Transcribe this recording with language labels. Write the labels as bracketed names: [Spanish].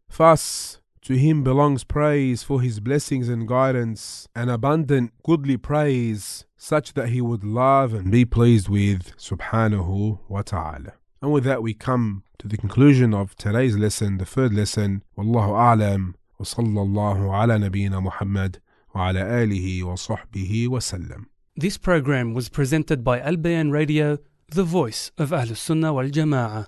[English] Thus, to Him belongs praise for His blessings and guidance, and abundant goodly praise, such that He would love and be pleased with, subhanahu wa ta'ala. And with that, we come to the conclusion of today's lesson, the third lesson. Wallahu a'lam. [Arabic] وصلى الله على نبينا محمد وعلى آله وصحبه وسلم. [English] This program was presented by Al Bayan Radio, the voice of Ahlus Sunnah wal Jama'ah.